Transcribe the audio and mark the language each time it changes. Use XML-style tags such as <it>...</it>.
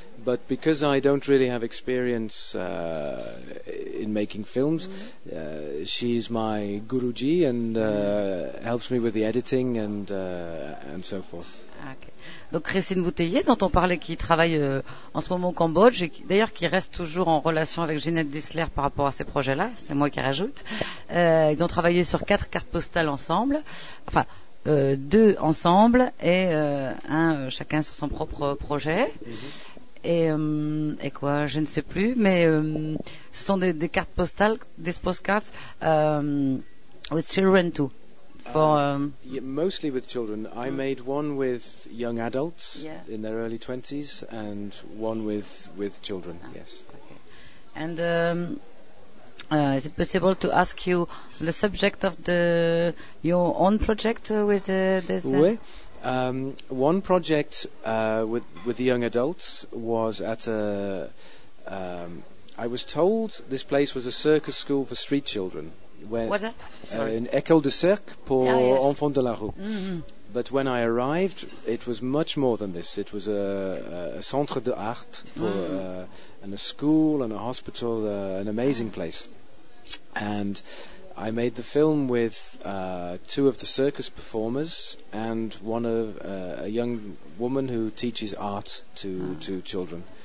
<en>But because I don't really have experience in making films, she's my guruji and helps me with the editing and so forth. Okay.</en> <fr>Donc Christine Bouteiller, dont on parlait, qui travaille en ce moment au Cambodge, et d'ailleurs qui reste toujours en relation avec Ginette Dissler par rapport à ces projets-là, c'est moi qui rajoute. Ils ont travaillé sur quatre cartes postales ensemble, enfin deux ensemble et un chacun sur son propre projet. Mm-hmm. et quoi, je ne sais plus, mais ce sont des cartes postales, des</fr> <en>postcards, with children too. For mostly with children. I made one with young adults in their early 20s and one with children. Ah. Yes. Okay. And is it possible to ask you the subject of your own project with this?</en> <fr>Oui.</fr> <en>One project with the young adults was at a. I was told this place was a circus school for street children. Where what?</en> <fr>An école de cirque pour enfants de la rue. Mm-hmm.</fr> <en>But when I arrived, it was much more than this. It was a</en> <fr>centre de art</fr> <en>for, and a school and a hospital, an amazing place. And I made the film with two of the circus performers and one of a young woman who teaches art to children.</en>